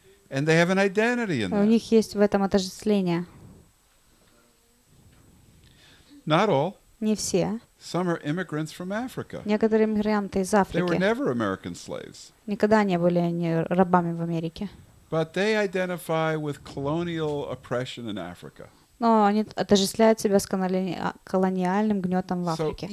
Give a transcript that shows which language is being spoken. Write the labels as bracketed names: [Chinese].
[English] And they have an identity in that. [Russian] У них есть в этом отождествление. [English] Not all. [Russian] Не все. [English] Some are immigrants from Africa. [Russian] Некоторые мигранты из Африки. [English] They were never American slaves. [Russian] Никогда не были они рабами в Америке. [English] But they identify with colonial oppression in Africa. [Russian] Но они отождествляют себя с колониальным гнетом в Африке.